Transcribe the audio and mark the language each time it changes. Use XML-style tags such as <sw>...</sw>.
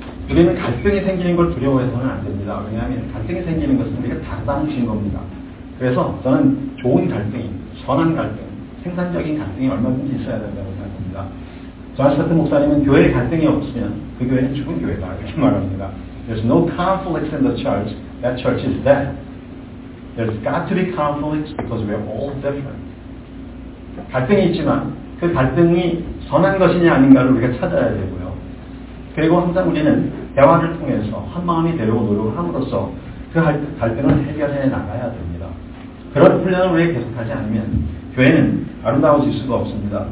<ko>우리는 갈등이 생기는 걸 두려워해서는 안 됩니다. 왜냐하면 갈등이 생기는 것은 우리가 다르다는 증거입니다. 그래서 저는 좋은 갈등, 선한 갈등, 생산적인 갈등이 얼마든지 있어야 된다고 생각합니다. 존스타트 목사님은 교회에 갈등이 없으면 그 교회는 죽은 교회다 이렇게 말합니다.</ko> <en>There's no conflict in the church. That church is dead. There's got to be conflict because we're all different.</en> <ko>갈등이 있지만 그 갈등이 선한 것이냐 아닌가를 우리가 찾아야 되고요. 그리고 항상 우리는 대화를 통해서 한 마음이 되려고 노력함으로써 그 갈등을 해결해 나가야 됩니다. 그런 훈련을 우리가 계속하지 않으면 교회는 아름다워질 수가 없습니다.</ko>